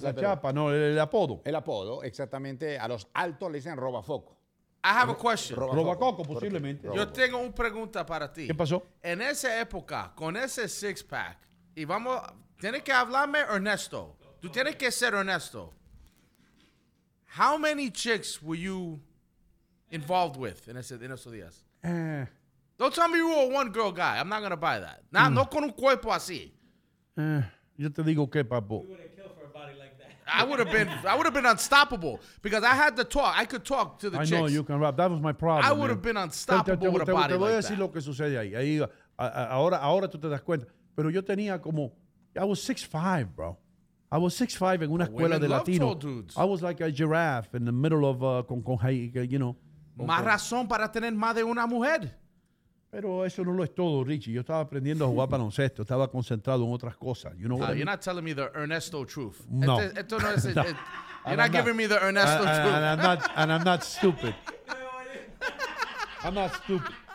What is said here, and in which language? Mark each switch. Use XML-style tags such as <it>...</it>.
<es>San Pedro. La chapa, no, el apodo. El apodo, exactamente. A los altos le dicen robafoco.</es> <en>I have a question.</en> <es>Robacoco, posiblemente. Yo tengo una pregunta para ti. ¿Qué pasó? En esa época, con ese six pack, y vamos, ¿tienes que hablarme, Ernesto? Tú tienes que ser honesto.</es> <en>How many chicks were you involved with</en> <es>en esos días?</es> <en>Don't tell me you were a one-girl guy. I'm not going to buy that. Nah,</en> <es>no con un cuerpo así. Yo te digo qué, papo.</es> <en>I would have been unstoppable because I had to talk. I could talk to the chicks. I know you can rap. That was my problem. I would have been unstoppable with a body like that.</en> <es>Te voy a decir lo que sucede ahí. Ahí, ahora tú te das cuenta. Pero yo tenía como,</es> <en>I was 6'5", bro. I was 6'5"</en> <es>en una escuela de latino.</es> <en>I was like a giraffe in the middle of,</en> <es>con</es> <en>you know.</en> <es>Más razón para tener más de una mujer. Pero eso no lo es todo, Richie. Yo estaba aprendiendo a jugar baloncesto. Estaba concentrado en otras cosas.</es> <en>You know what you're not telling me the Ernesto truth.</en> <es>No. Esto no es...</es> <en>giving me the Ernesto truth. And I'm not stupid. I'm not stupid.</en>